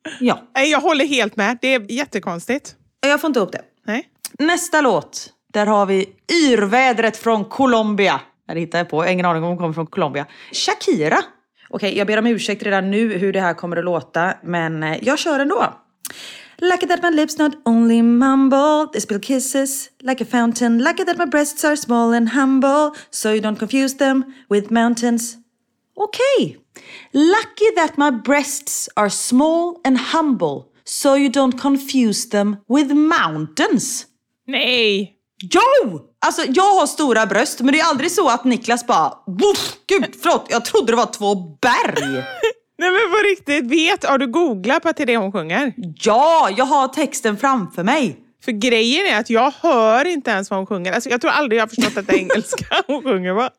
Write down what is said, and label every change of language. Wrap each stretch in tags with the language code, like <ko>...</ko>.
<sv>Ja. Jag håller helt med. Det är jättekonstigt. Jag får inte upp det. Nej. Nästa låt. Där har vi Yrvädret från Colombia. Det hittar jag på. Jag har ingen aning om hon kommer från Colombia. Shakira. Okej, jag ber om ursäkt redan nu hur det här kommer att låta. Men jag kör ändå.</sv> <en>Like that my lips not only mumble, they spill kisses like a fountain. Like that my breasts are small and humble, so you don't confuse them with mountains. Okej. Lucky that my breasts are small and humble, so you don't confuse them with mountains.</en> <sv>Nej. Jo! Alltså, jag har stora bröst, men det är aldrig så att Niklas bara... Wuff, gud, förlåt, jag trodde det var 2 berg. Nej, men på riktigt, vet, har du googlat på till det hon sjunger? Ja, jag har texten framför mig. För grejen är att jag hör inte ens vad hon sjunger. Alltså, jag tror aldrig jag har förstått att det är engelska hon sjunger, va?</sv>